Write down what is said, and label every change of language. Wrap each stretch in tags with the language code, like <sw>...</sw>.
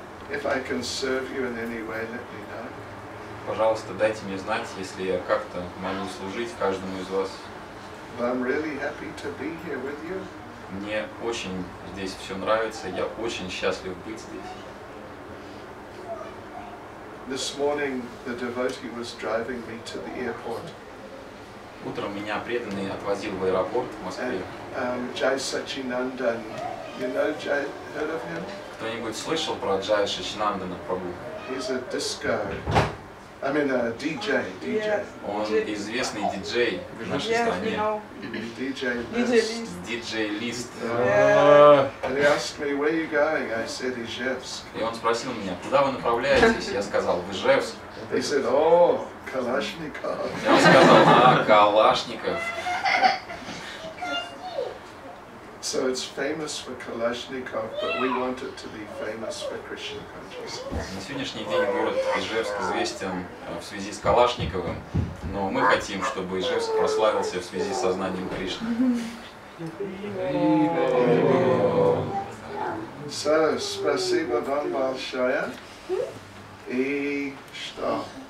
<en>If I can serve you in any way, let me know.</en> <ru>Пожалуйста, дайте мне знать, если я как-то могу служить каждому из вас.</ru> <en>But I'm really happy to be here with you.</en> <ru>Мне очень здесь все нравится. Я очень счастлив быть здесь.</ru> <en>This morning the devotee was driving me to the airport.</en> <ru>Утром меня преданный отвозил в аэропорт в Москве.</ru> <en>Jai Sachinandan, you know Jai, heard of him?</en> <ru>Кто-нибудь слышал про Джай Сачинандана Прабу?</ru> <en>He's a disco, I mean a DJ. Yeah.</en> <ru>Он известный диджей в нашей стране.</ru> <en>DJ List. And he asked me, where are you going? I said, Ижевск.</en> <ru>И он спросил меня, куда вы направляетесь? Я сказал, в Ижевск.</ru> <en>He said, oh, Калашников.</en> <ru>Я сказал, а, Калашников.</ru> <en>So it's famous for Kalashnikov, but we want it to be famous for Krishna consciousness.</en> <ru>На сегодняшний день город Ижевск известен в связи с Калашниковым, но мы хотим, чтобы Ижевск прославился в связи с сознанием Кришны. So, спасибо вам большое. И что?</ru>